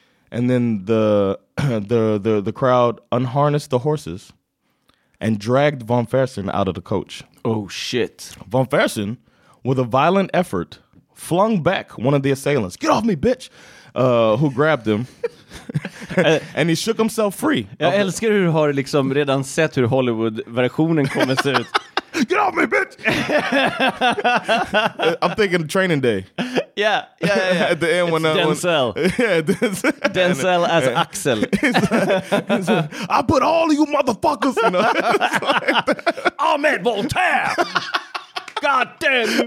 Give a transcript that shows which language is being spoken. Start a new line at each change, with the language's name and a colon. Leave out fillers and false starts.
English: And then the crowd unharnessed the horses and dragged von Fersen out of the coach. Oh, shit. Von Fersen, with a violent effort... flung back one of the assailants. Get off me, bitch! Who grabbed him. And he shook himself free.
Swedish: Jag älskar hur du har liksom redan sett hur Hollywood-versionen kommer se ut.
English: Get off me, bitch! I'm thinking Training Day. Yeah. At the end when... It's Denzel. Denzel as Axel. I put all of you motherfuckers in a... I'm at Voltaire! God damn.